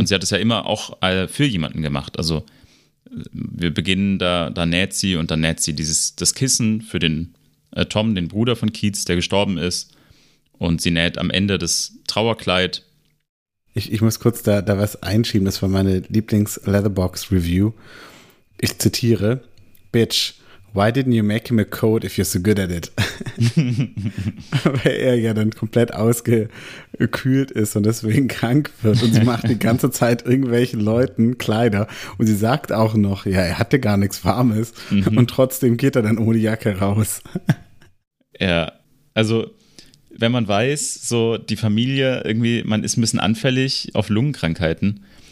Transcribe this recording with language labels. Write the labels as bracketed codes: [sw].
[de] Und sie hat es ja immer auch für jemanden gemacht. Also wir beginnen, da näht sie, und dann näht sie das Kissen für den Tom, den Bruder von Keats, der gestorben ist. Und sie näht am Ende das Trauerkleid. Ich muss kurz da was einschieben. Das war meine Lieblings-Leatherbox-Review. Ich zitiere: [en] Bitch, why didn't you make him a coat if you're so good at it? [de] Weil er ja dann komplett ausgekühlt ist und deswegen krank wird. Und sie macht die ganze Zeit irgendwelchen Leuten Kleider. Und sie sagt auch noch, ja, er hatte gar nichts Warmes. Mhm. Und trotzdem geht er dann ohne Jacke raus. Ja, also wenn man weiß, so die Familie irgendwie, man ist ein bisschen anfällig auf Lungenkrankheiten.